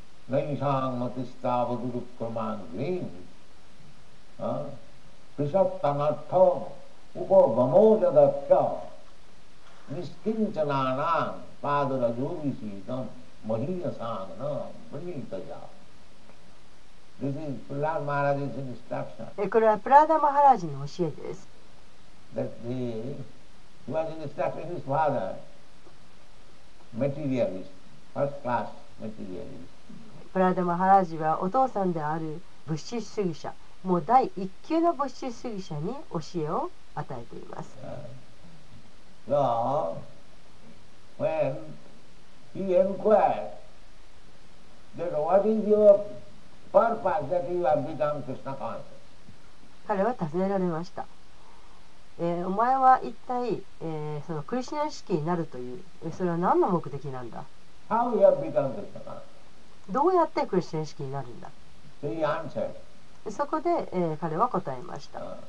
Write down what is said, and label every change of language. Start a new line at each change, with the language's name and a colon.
English: Naishang matishtava durukramang green Prishaptanattha upa vamojadakya Niskinchananam padarajovishitam mahiyasanam brinitaya。 This is Prahlada Maharaj's instruction。
Japanese: これはプラダマハラジの教えです。
English: That he was instructing his father, materialist, first class materialist。
Japanese: プラダマハラジはお父さんである物質主義者、もう第一級の物質主義者に教えを与えています。
English: So, when he inquired that what is your purpose that you have become Krishna conscious?
Japanese: 彼は尋ねられました。お前は一体、そのクリシュナ意識になるという、それは何の目的なんだ。
English: How you have become Krishna conscious?
Japanese: どうやってクリシュナ意識になるんだ。
English: So he answered.
Japanese: そこで、彼は答えました。